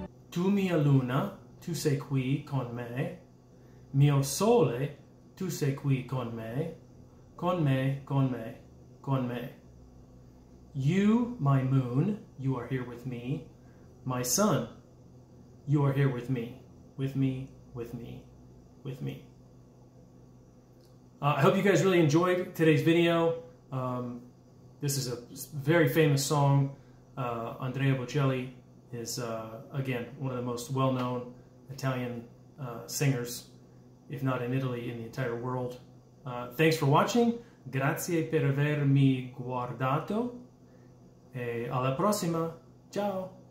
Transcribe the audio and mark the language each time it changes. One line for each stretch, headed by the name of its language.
Italian: Tu mia luna, tu sei qui con me. Mio sole, tu sei qui con me. Con me, con me, con me.
English: You, my moon, you are here with me. My sun, you are here with me. with me, with me, with me. I hope you guys really enjoyed today's video. This is a very famous song. Andrea Bocelli is, again, one of the most well-known Italian singers, if not in Italy, in the entire world. Thanks for watching.
Italian: Grazie per avermi guardato. E alla prossima. Ciao.